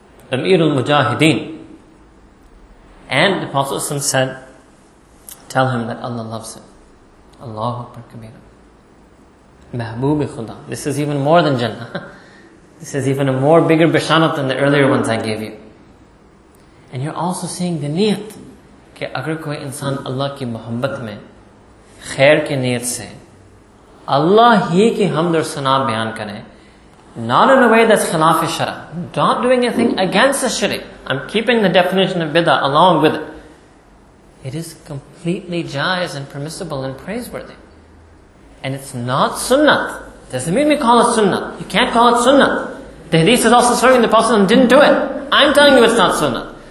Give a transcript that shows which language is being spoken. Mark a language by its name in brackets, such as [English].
[English] Amir al-Mujahideen. And the Prophet ﷺ said, tell him that Allah loves him. Allahu Akbar Kabir. Mahbubi Khuda. This is even more than Jannah. This is even a more bigger bishanat than the earlier ones I gave you. And you're also seeing the niyat. [Urdu] کہ اگر کوئی انسان اللہ کی محبت میں, خیر کی نیت سے, اللہ ہی کی حمد اور ثنا بیان کرے, [English] not in a way that's [Urdu] خلاف شرع, [English] not doing anything against the shari. I'm keeping the definition of bidah along with it. It is completely jaiz and permissible and praiseworthy. And it's not sunnah. Doesn't mean we call it sunnah. You can't call it sunnah. The hadith is also serving the Prophet and didn't do it. I'm telling you it's not sunnah.